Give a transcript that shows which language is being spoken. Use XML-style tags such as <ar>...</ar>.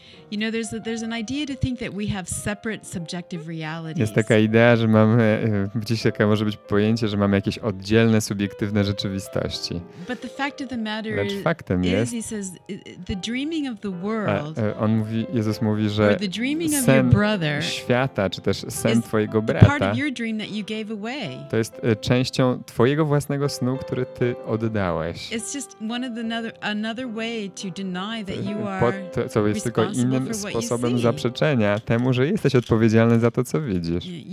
<en>You know, there's an idea to think that we have separate subjective realities.</en> <pl>Jest taka idea, że mamy gdzieś taka może być pojęcie, że mamy jakieś oddzielne subiektywne rzeczywistości.</pl> <en>But the fact of the matter</en> <pl>lecz faktem</pl> <en>is,</en> <pl>jest,</pl> <en>he says, the dreaming of the world.</en> <pl>On mówi, Jezus mówi, że</pl> <en>the dreaming</en> <pl>sen</pl> <en>of your brother</en> <pl>świata, czy też sen twojego brata,</pl> <en>part of your dream that you gave away.</en> <pl>To jest częścią twojego własnego snu, który ty oddałeś.</pl> <en>It's just one of the another way to deny that you are.</en> <pl>To jest tylko innym sposobem zaprzeczenia temu, że jesteś odpowiedzialny za to, co widzisz.</pl>